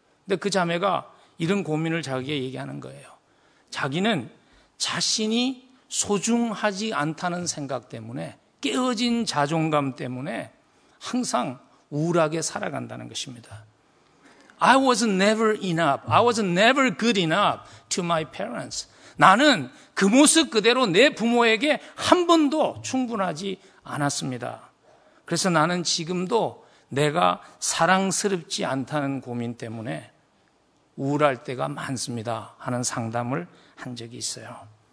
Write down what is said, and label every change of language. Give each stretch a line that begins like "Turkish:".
Korean: 근데 그 자매가 이런 고민을 자기에게 얘기하는 거예요. 자기는 자신이 소중하지 않다는 생각 때문에, 깨어진 자존감 때문에 항상 우울하게 살아간다는 것입니다.
English: I was never enough. I was never good enough to my parents.
Korean: 나는 그 모습 그대로 내 부모에게 한 번도 충분하지 않았습니다. 그래서 나는 지금도 내가 사랑스럽지 않다는 고민 때문에 우울할 때가 많습니다 하는 상담을 한 적이 있어요.